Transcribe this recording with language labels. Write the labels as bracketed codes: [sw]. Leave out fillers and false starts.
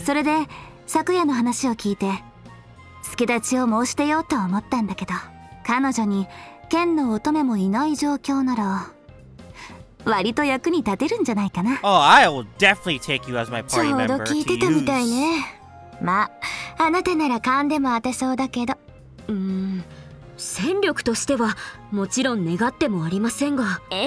[ja] それで昨夜の話を聞いて助太刀を申し出ようと思ったんだけど、彼女に剣の乙女もいない状況なら割と役に立てるんじゃないかな。 [en] Oh, I will definitely take you as my party member. [ja] ちょうど聞いてたみたいね。まあ、あなたなら勘でも当てそうだけど。戦力としてはもちろん願ってもありませんが。